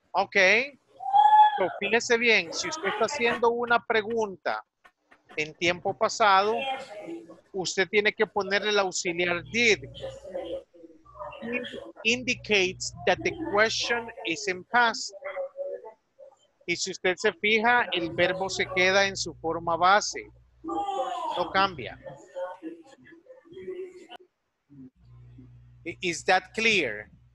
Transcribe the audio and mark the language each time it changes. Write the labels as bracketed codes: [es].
[es] Okay. So, fíjese bien, si usted está haciendo una pregunta en tiempo pasado, usted tiene que poner el auxiliar did. [en] It indicates that the question is in past. [es] Y si usted se fija, el verbo se queda en su forma base. No cambia. [en] Is that clear?